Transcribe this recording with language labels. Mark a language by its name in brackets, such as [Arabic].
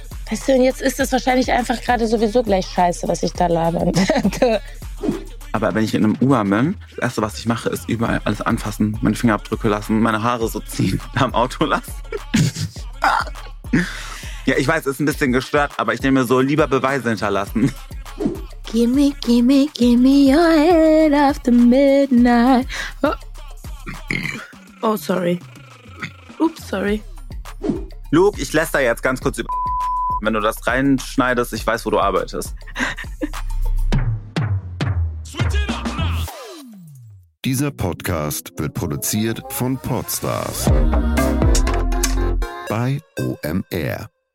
[German] Weißt du, und jetzt ist es wahrscheinlich einfach gerade sowieso gleich scheiße, was ich da labern werde. Aber wenn ich in einem Uber bin, das Erste, was ich mache, ist überall alles anfassen, meine Fingerabdrücke lassen, meine Haare so ziehen, am Auto lassen. Ja, ich weiß, ist ein bisschen gestört, aber ich nehme so lieber Beweise hinterlassen. [English] Give me your head after midnight. Oh, sorry. [German] Ups, [English] sorry. [German] Luke, ich lässt da jetzt ganz kurz über... Wenn du das reinschneidest, ich weiß, wo du arbeitest. Dieser Podcast wird produziert von Podstars bei OMR.